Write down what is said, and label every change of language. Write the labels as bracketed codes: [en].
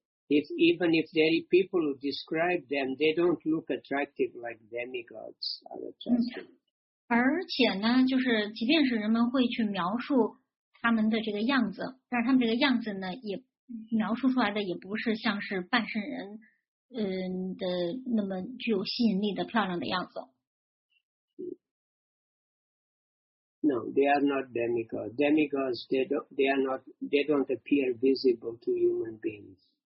[en] Even if there are people who describe them, they don't look attractive like demigods are attractive. [zh] 而且呢，就是即便是人们会去描述他们的这个样子，但是他们这个样子呢，也 描述出来的也不是像是半身人的那么具有吸引力的漂亮的样子。 [en] No, they are not demigods. Demigods, they don't appear visible to human beings.